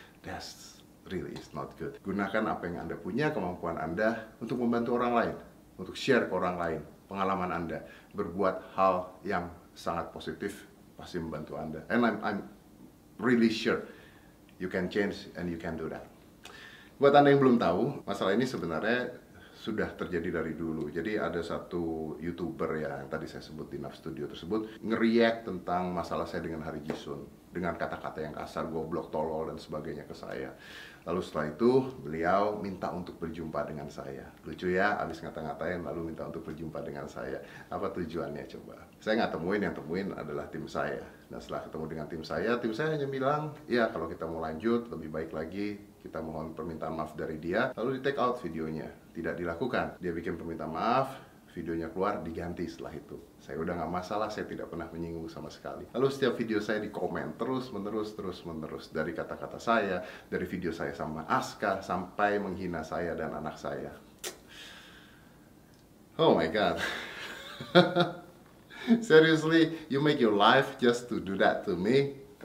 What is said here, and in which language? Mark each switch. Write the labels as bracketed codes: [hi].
[en] That's really is not good. [id] Gunakan apa yang Anda punya, kemampuan Anda untuk membantu orang lain, untuk share ke orang lain pengalaman Anda, berbuat hal yang sangat positif pasti membantu Anda. [en] And I'm really sure you can change and you can do that. [id] Buat Anda yang belum tahu, masalah ini sebenarnya sudah terjadi dari dulu. Jadi ada satu YouTuber ya, yang tadi saya sebut di Nav Studio tersebut, nge-react tentang masalah saya dengan Hari Jisun. Dengan kata-kata yang kasar, goblok, tolol, dan sebagainya ke saya. Lalu setelah itu, beliau minta untuk berjumpa dengan saya. Lucu ya, abis ngata-ngatain, lalu minta untuk berjumpa dengan saya. Apa tujuannya coba? Saya nggak temuin, yang temuin adalah tim saya. Dan setelah ketemu dengan tim saya hanya bilang, ya kalau kita mau lanjut, lebih baik lagi, kita mohon permintaan maaf dari dia. Lalu di take out videonya. Tidak dilakukan. Dia bikin permintaan maaf, videonya keluar, diganti setelah itu. Saya udah gak masalah, saya tidak pernah menyinggung sama sekali. Lalu setiap video saya dikomen terus menerus. Dari kata-kata saya, dari video saya sama Aska, sampai menghina saya dan anak saya. [en] Oh my god. Seriously, you make your life just to do that to me?